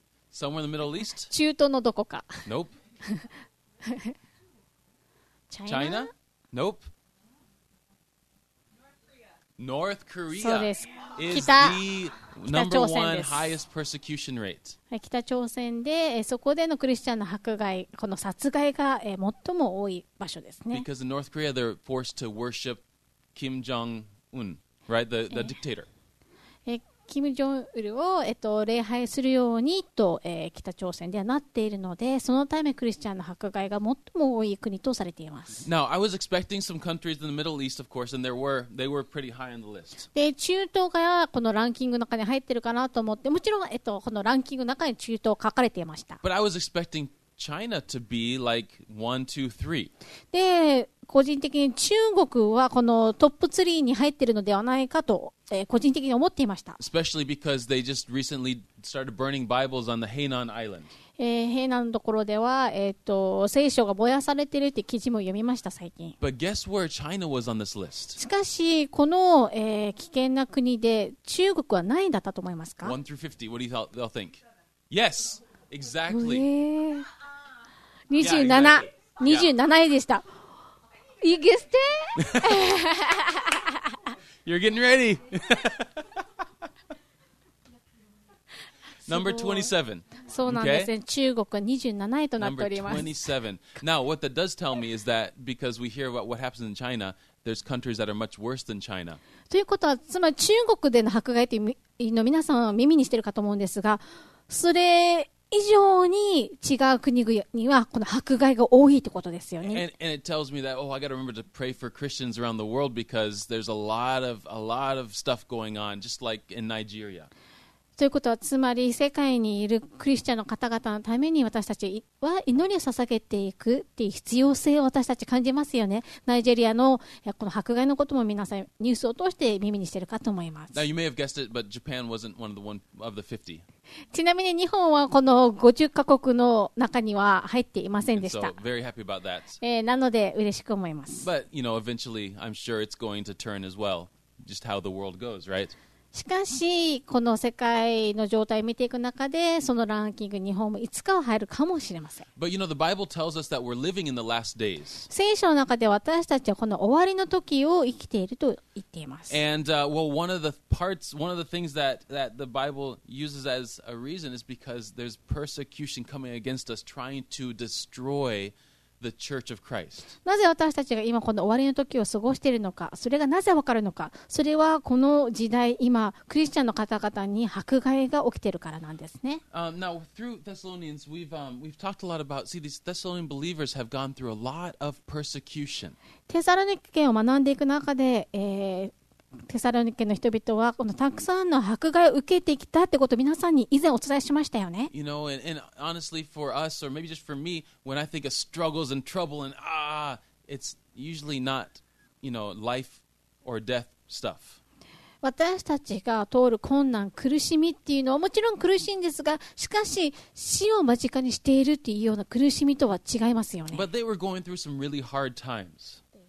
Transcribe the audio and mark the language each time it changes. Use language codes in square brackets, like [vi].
[en] Somewhere in the Middle East? [ja] 中東のどこか。 [en] Nope. China? Nope. North Korea [ja] そうです。 [en] is the number one highest persecution rate. [ja] 北朝鮮で、そこでのクリスチャンの迫害、この殺害が、最も多い場所ですね。 [en] Because in North Korea, they're forced to worship Kim Jong-un, right? The dictator. [ja] Kim Jong-un を、礼拝するようにと、北朝鮮ではなっているので、そのためクリスチャンの迫害が最も多い国とされています。 [en] Now, I was expecting some countries in the Middle East, of course, and they were pretty high on the list. [ja] で、中東がこのランキングの中に入ってるかなと思って、もちろん、このランキングの中に中東書かれていました。 [en] But I was expecting China to be like 1, 2, 3. [ja] で、個人的に中国はこのトップ3に入ってるのではないかと、個人的に思っていました。 [en] Especially because they just recently started burning Bibles on the Hainan Island. [ja] Hainan のところでは、聖書が燃やされているって記事も読みました最近。 [en] But guess where China was on this list? [ja] しかしこの、危険な国で中国は何位だったと思いますか [en] ？One through 50. What do you all think? Yes, exactly. [ja] 27位でした。 [en] You guessed it? You're getting ready. Number 27. [ja] そうなんですね。中国は27位となっております。 [en] Number 27. Now, what that does tell me is that because we hear about what happens in China, there's countries that are much worse than China. [ja] ということは、つまり中国での迫害というの皆さんは耳にしているかと思うんですが、それ以上に違う国々にはこの迫害が多いってことですよね。 [en] And it tells me that, oh, I got to remember to pray for Christians around the world because there's a lot of stuff going on, just like in Nigeria. [ja] ということはつまり世界にいるクリスチャンの方々のために私たちは祈りを捧げていくっていう必要性を私たち感じますよね。ナイジェリアのこの迫害のことも皆さんニュースを通して耳にしているかと思います。 [en] Now you may have guessed it, but Japan wasn't one of the, one of the 50. [ja] ちなみに日本はこの50カ国の中には入っていませんでした。 [en] And so, very happy about that. [ja] なので嬉しく思います。 [en] But you know, eventually I'm sure it's going to turn as well, just how the world goes, right? [ja] しかしこの世界の状態を見ていく中でそのランキング日本もいつかは入るかもしれません。 [en] But you know, the Bible tells us that we're living in the last days. [ja] 聖書の中で私たちはこの終わりの時を生きていると言っています。 [en] And well, one of the parts, one of the things that, that the Bible uses as a reason is because there's persecution coming against us trying to destroyThe Church of Christ. [ja] なぜ私たちが今この終わりの時を過ごしているのか、それがなぜわかるのか、それはこの時代、今クリスチャンの方々に迫害が起きているからなんですね。 [en] Now through Thessalonians, we've talked a lot about. See, these Thessalonian believers have gone through a lot of persecution. [ja] テサロニケを学んでいく中で、テサロニケの人々はこのたくさんの迫害を受けてきたってことを皆さんに以前お伝えしましたよね。 [en] You know, and honestly for us, or maybe just for me, when I think of struggles and trouble and it's usually not, you know, life or death stuff. [ja] 私たちが通る困難、苦しみっていうのはもちろん苦しいんですが、しかし死を間近にしているっていうような苦しみとは違いますよね。 [en] But they were going through some really hard times.